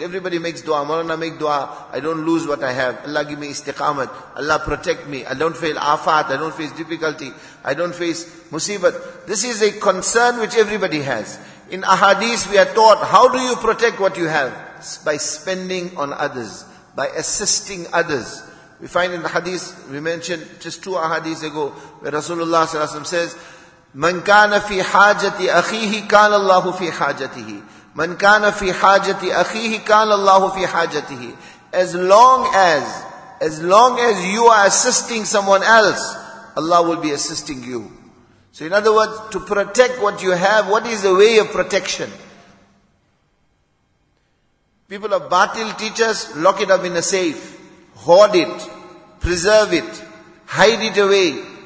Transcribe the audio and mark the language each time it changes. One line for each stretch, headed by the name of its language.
English: Everybody makes dua. Marana make dua. I don't lose what I have. Allah give me istiqamat. Allah protect me. I don't fail afat. I don't face difficulty. I don't face musibat. This is a concern which everybody has. In ahadith, we are taught, how do you protect what you have? It's by spending on others. By assisting others. We find in the hadith, we mentioned just two ahadith ago, where Rasulullah sallallahu alaihi wasallam says,
Arabic: مَنْ كَانَ فِي حَاجَةِ أَخِيهِ كَانَ اللَّهُ فِي حَاجَتِهِ
English: مَنْ كَانَ فِي حَاجَةِ أَخِيهِ كَانَ اللَّهُ فِي حَاجَتِهِ. As long as you are assisting someone else, Allah will be assisting you. So in other words, to protect what you have, what is the way of protection? People of batil teach us, lock it up in a safe, hoard it, preserve it, hide it away.